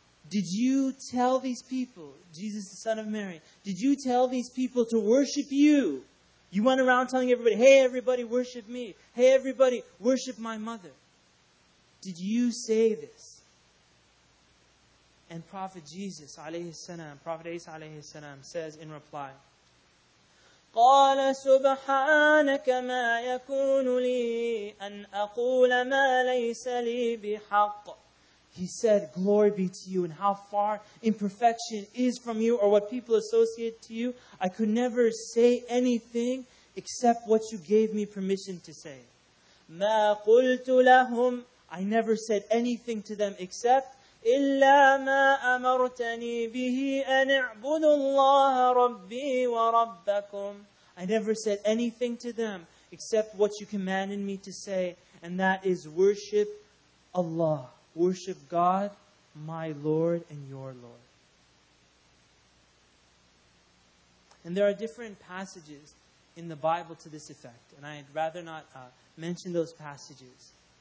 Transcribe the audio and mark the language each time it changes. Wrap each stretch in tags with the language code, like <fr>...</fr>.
<en>Did you tell these people, Jesus the son of Mary, did you tell these people to worship you? You went around telling everybody, hey everybody, worship me. Hey everybody, worship my mother. Did you say this? And Prophet Jesus alayhi salam, Prophet Isa alayhi salam says in reply,</en> <ar>قال سبحانك ما يكون لي أن أقول ما ليس لي بحق.</ar> <en>He said, glory be to you, and how far imperfection is from you or what people associate to you. I could never say anything except what you gave me permission to say.</en> <ar>ما قلت لهم,</ar> <en>I never said anything to them except</en> <ar>إلا ما أمرتني به أن اعبدوا الله ربي وربكم.</ar> <en>I never said anything to them except what you commanded me to say, and that is worship Allah. Worship God, my Lord and your Lord. And there are different passages in the Bible to this effect, and I'd rather not mention those passages.</en>